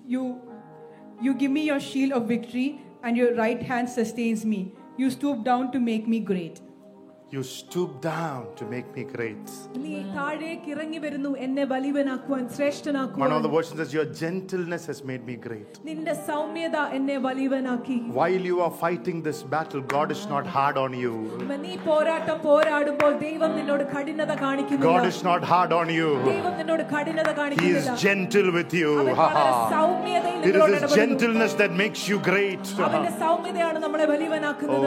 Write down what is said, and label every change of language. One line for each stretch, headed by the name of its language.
English: You give me your shield of victory and your right hand sustains me. You stoop down to make me great. You stoop down to make me great.
Malayalam: നീ താഴേക്ക് ഇറങ്ങി വരുന്നു എന്നെ ബലിവനാക്കുവാൻ ശ്രേഷ്ഠനാക്കുവാൻ.
English: One of the versions says your gentleness has made me great.
Malayalam: നിന്റെ സൗമ്യത എന്നെ ബലിവനാക്കി.
English: While you are fighting this battle God is not hard on you.
Malayalam: നീ പോരാട്ടം പോരാടുമ്പോൾ ദൈവം നിന്നോട് കഠിനത കാണിക്കുന്നില്ല.
English: God is not hard on you.
Malayalam: ദൈവം നിന്നോട് കഠിനത കാണിക്കുന്നില്ല.
English: He is gentle with you.
Malayalam: സൗമ്യതയിലൂടെ
English: It is gentleness that makes you great.
Malayalam: അവന്റെ സൗമ്യതയാണ് നമ്മളെ ബലിവനാക്കുന്നത്.